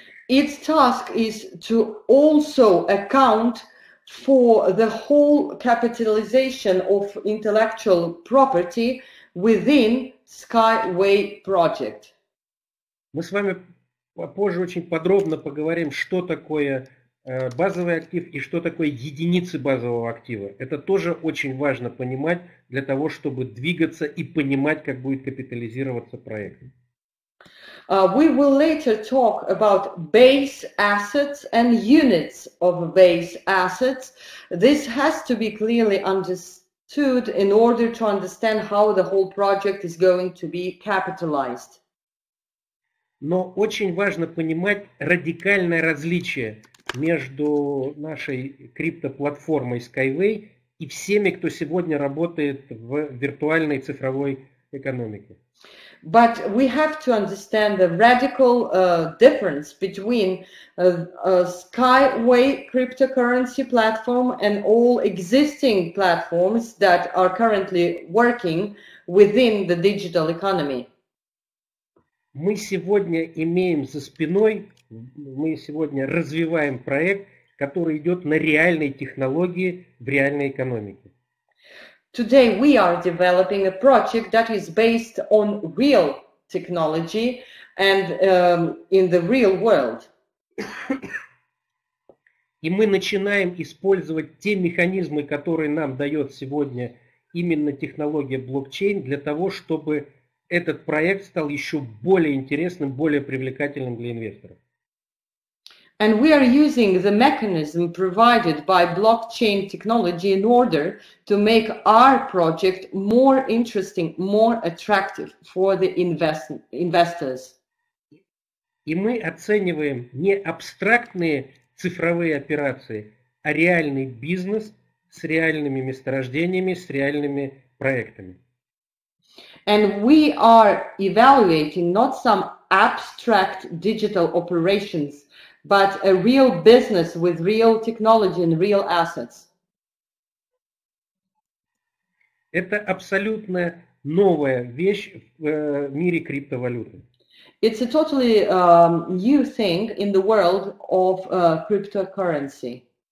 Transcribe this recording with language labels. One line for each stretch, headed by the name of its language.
English: Its task is to also account for the whole capitalization of intellectual property within Skyway project.
Russian: Мы с вами позже очень подробно поговорим, что такое базовый актив и что такое единицы базового актива. Это тоже очень важно понимать для того, чтобы двигаться и понимать, как будет капитализироваться проект.
English: We will later talk about base assets and units of base assets. This has to be clearly understood in order to understand how the whole project is going to be capitalized.
Russian: Но очень важно понимать радикальное различие между нашей криптоплатформой Skyway и всеми, кто сегодня работает в виртуальной цифровой экономике.
English: But we have to understand the radical difference between a Skyway cryptocurrency platform and all existing platforms that are currently working within the digital economy.
Russian: Мы сегодня имеем за спиной, мы сегодня развиваем проект, который идет на реальной технологии в реальной экономике.
English: Today we are developing a project that is based on real technology and in the real world.
Russian: И мы начинаем использовать те механизмы, которые нам дает сегодня именно технология блокчейн для того, чтобы этот проект стал еще более интересным, более привлекательным для инвесторов.
English: And we are using the mechanism provided by blockchain technology in order to make our project more interesting, more attractive for the investors.
Russian: И мы оцениваем не абстрактные цифровые операции, а реальный бизнес с реальными месторождениями, с реальными проектами.
English: And we are evaluating not some abstract digital operations, but a real business with real technology and real assets.
Russian: Это абсолютно новая вещь в мире криптовалюты.
English: It's a totally new thing in the world of cryptocurrency.